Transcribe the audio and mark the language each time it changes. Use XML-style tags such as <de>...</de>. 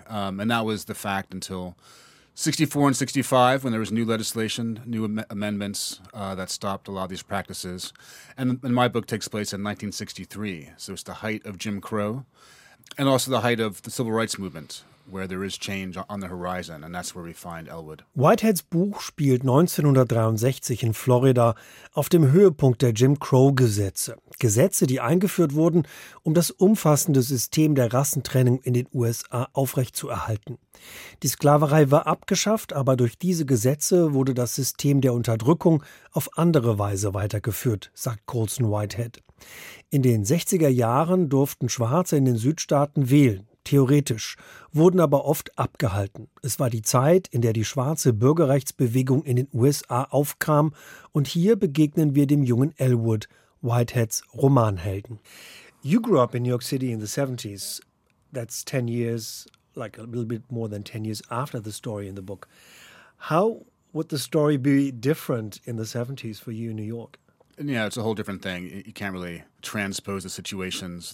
<en>And that was the fact until 64 and 65, when there was new legislation, new amendments that stopped a lot of these practices. And my book takes place in 1963, so it's the height of Jim Crow and also the height of the civil rights movement, where there is change on the horizon, and that's where we find Elwood.</en> <de>Whiteheads Buch spielt 1963 in Florida auf dem Höhepunkt der Jim Crow-Gesetze. Gesetze, die eingeführt wurden, um das umfassende System der Rassentrennung in den USA aufrechtzuerhalten. Die Sklaverei war abgeschafft, aber durch diese Gesetze wurde das System der Unterdrückung auf andere Weise weitergeführt, sagt Colson Whitehead. In den 60er Jahren durften Schwarze in den Südstaaten wählen. Theoretisch, wurden aber oft abgehalten. Es war die Zeit, in der die schwarze Bürgerrechtsbewegung in den USA aufkam. Und hier begegnen wir dem jungen Elwood, Whiteheads Romanhelden.</de> <en>You grew up in New York City in the 70s. That's 10 years, like a little bit more than 10 years after the story in the book. How would the story be different in the 70s for you in New York? Yeah, it's a whole different thing. You can't really transpose the situations.</en>